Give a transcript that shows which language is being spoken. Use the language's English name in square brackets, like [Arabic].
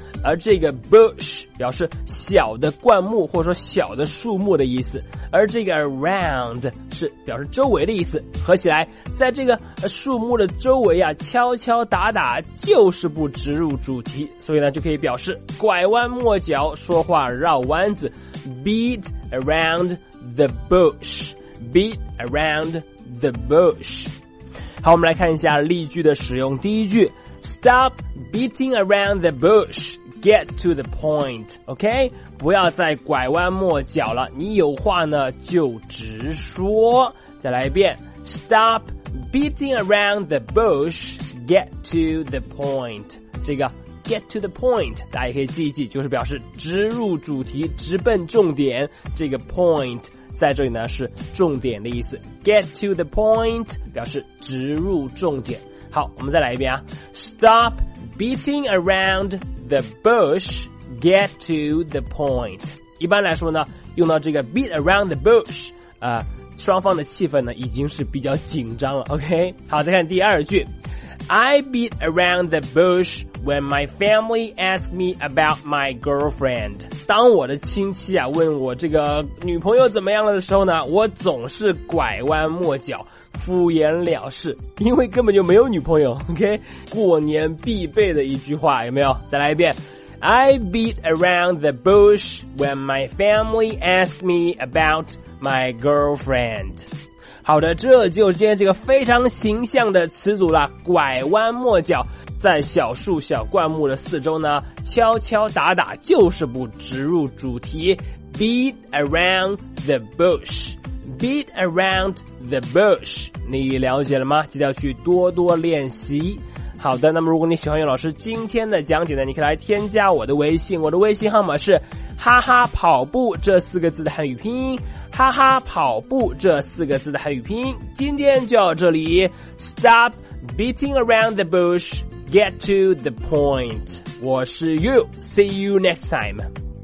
[Chinese] 而这个 bush 表示小的灌木或者说小的树木的意思，而这个 around 是表示周围的意思，合起来在这个树木的周围啊敲敲打打，就是不直入主题，所以呢就可以表示拐弯抹角说话绕弯子 [English] beat around the bush, [Chinese] beat around the bush。好，我们来看一下例句的使用。第一句， [English] stop beating around the bushGet to the point, OK? [Chinese] 不要再拐弯抹角了，你有话呢就直说。再来一遍， [English] Stop beating around the bush, get to the point. [Chinese] 这个 get to the point, 大家可以记一记，就是表示直入主题，直奔重点。这个 point 在这里呢是重点的意思。 [English] Get to the point [Chinese] 表示直入重点。好，我们再来一遍啊， [English] Stop beating aroundThe bush, get to the point. [Chinese] 一般来说呢，用到这个 beat around the bush, 双方的气氛呢已经是比较紧张了， OK? 好，再看第二句。 [English] I beat around the bush when my family asked me about my girlfriend. [Chinese] 当我的亲戚啊问我这个女朋友怎么样了的时候呢，我总是拐弯抹角，敷衍了事，因为根本就没有女朋友， OK? 过年必备的一句话，有没有？再来一遍。 [English] I beat around the bush when my family asked me about my girlfriend. [Chinese] 好的，这就是今天这个非常形象的词组了，拐弯抹角，在小树小灌木的四周呢，敲敲打打，就是不直入主题。 [English] Beat around the bush. Beat around the bush, [Chinese] 你了解了吗？记得要去多多练习。好的，那么如果你喜欢袁老师今天的讲解呢，你可以来添加我的微信，我的微信号码是哈哈跑步这四个字的汉语拼音，哈哈跑步这四个字的汉语拼音。今天就到这里， [English] Stop beating around the bush, get to the point. [Chinese] 我是 [English] You, see you next time.